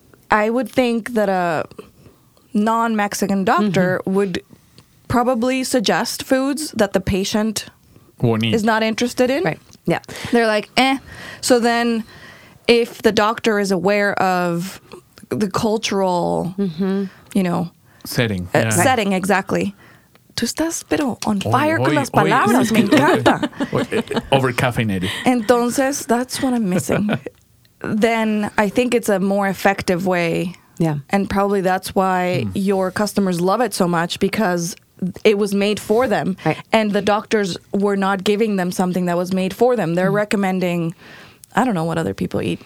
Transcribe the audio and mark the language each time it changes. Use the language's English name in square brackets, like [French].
[English] I would think that a non-Mexican doctor would probably suggest foods that the patient is not interested in. Right. Yeah. They're like, eh. So then if the doctor is aware of the cultural, you know. Setting. Yeah. Setting, exactly. [Spanish] Tú estás, pero [English] on fire [Spanish] con las palabras. Me encanta. [English] Over-caffeinated. Entonces, that's what I'm missing. Then I think it's a more effective way. Yeah. And probably that's why your customers love it so much, because it was made for them. Right. And the doctors were not giving them something that was made for them. They're recommending, I don't know what other people eat.